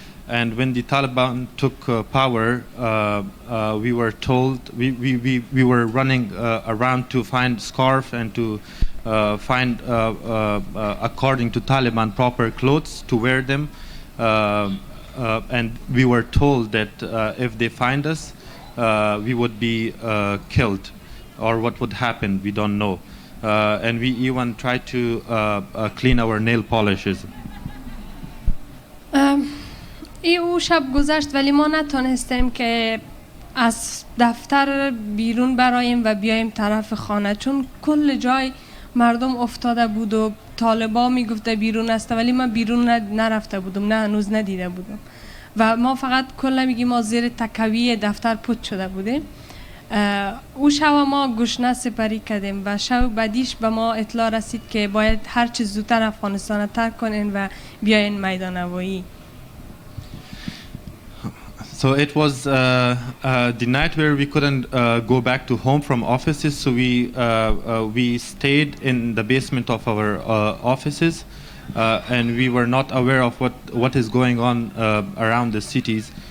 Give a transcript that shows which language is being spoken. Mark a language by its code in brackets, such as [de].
[en] And when the Taliban took power, we were told, we were running around to find scarf and to find, according to Taliban, proper clothes to wear them. And we were told that if they find us, we would be killed, or what would happen, we don't know. And we even tried to clean our nail polishes. [fa] ای او شب گذشت ولی ما نتونستیم که از دفتر بیرون برایم و بیایم طرف خانه چون کل جای مردم افتاده بود و طالبا میگفته بیرون است ولی ما بیرون نرفته بودم نه هنوز ندیده بودم و ما فقط کلا میگیم ما زیر تکوی دفتر پوت شده بودیم او شب ما گشنه سپری کردیم و شب بعدیش به ما اطلاع رسید که باید هر چه زودتر افغانستان ترک کنین و بیاین میدان هوایی [en] So it was the night where we couldn't go back to home from offices, so we stayed in the basement of our offices, and we were not aware of what is going on around the cities.